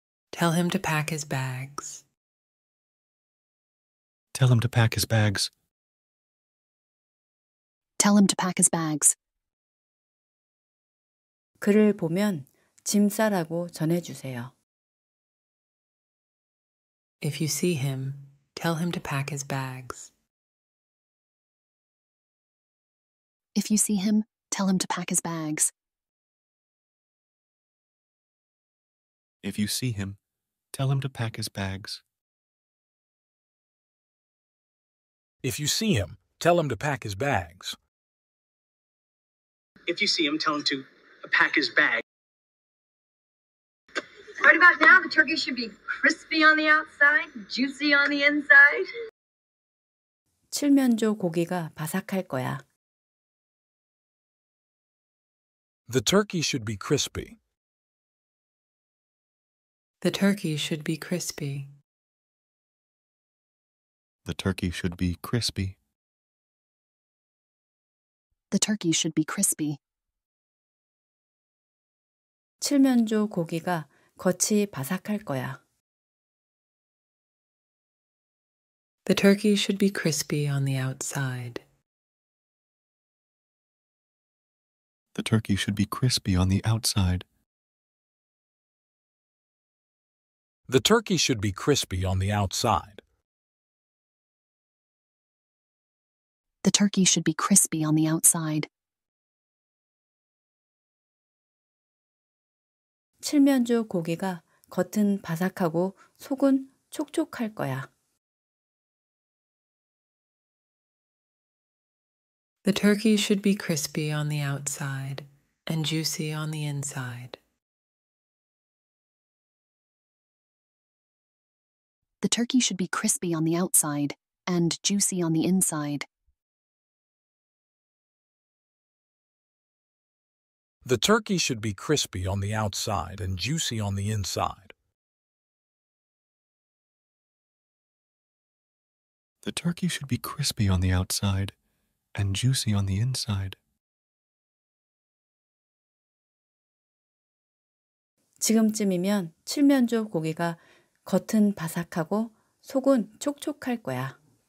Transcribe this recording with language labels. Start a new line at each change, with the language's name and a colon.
English: Tell him to pack his bags. Tell him to pack his bags. Tell him to pack his bags.
Korean: 그를 보면 짐 싸라고 전해주세요.
English: If you see him, tell him to pack his bags. If you see him, tell him to pack his bags. If you see him, tell him to pack his bags. If you see him, tell him to pack his bags. If you see him, tell him to pack his bag. Right about now, the turkey should be crispy on the outside, juicy on the inside.
Korean: 칠면조 고기가 바삭할 거야.
English: The turkey should be crispy. The turkey should be crispy. The turkey should be crispy. The turkey should be crispy.
Korean: 칠면조 고기가 겉이 바삭할 거야.
English: The turkey should be crispy on the outside. The turkey should be crispy on the outside. The turkey should be crispy on the outside. The turkey should be crispy on the outside.
Korean: 칠면조 고기가 겉은 바삭하고 속은 촉촉할 거야.
English: The turkey should be crispy on the outside and juicy on the inside. The turkey should be crispy on the outside and juicy on the inside. The turkey should be crispy on the outside and juicy on the inside. The turkey should be crispy on the outside and juicy on the inside.
Korean: 지금쯤이면 칠면조 고기가 겉은 바삭하고 속은 촉촉할 거야.